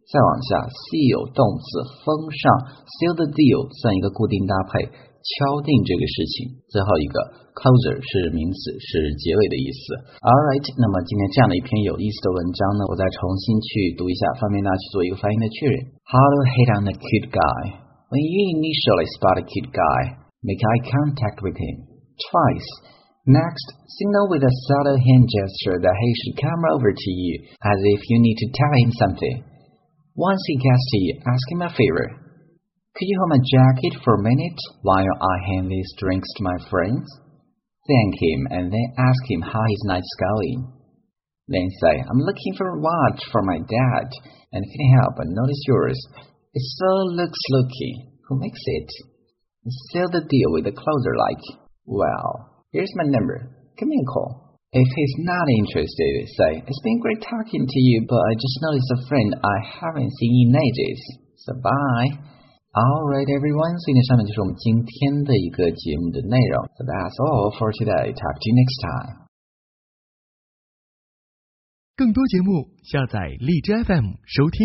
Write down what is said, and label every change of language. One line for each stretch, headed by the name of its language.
Chinese: 再往下， seal， 动词封上，
English: seal the deal
Chinese: 算一个固定搭配，敲定这个事情。最后一个 closer 是名词，是结尾的意思。 Alright， 那么今天这样的一篇有意思的文章呢，我再重新去读一下，方便大家去做一个发音的确认。
English: How to hit on a cute guy. When you initially spot a cute guy, make eye contact with him twice. Next, signal with a subtle hand gesture that he should come over to you as if you need to tell him something. Once he gets to you, ask him a favorCould you hold my jacket for a minute while I hand these drinks to my friends? Thank him and then ask him how his night's going. Then say, I'm looking for a watch for my dad and can help but notice yours. It so looks lucky. Who makes it? Seal the deal with a closer like, well, here's my number. Give me a call. If he's not interested, say, it's been great talking to you but I just noticed a friend I haven't seen in ages. So bye. Alright everyone,
Chinese: 所以呢上面就是我们今天的一个节目的内容。
English: So that's all for today. Talk to you next time.
Chinese: 更多节目下载荔枝 FM 收听。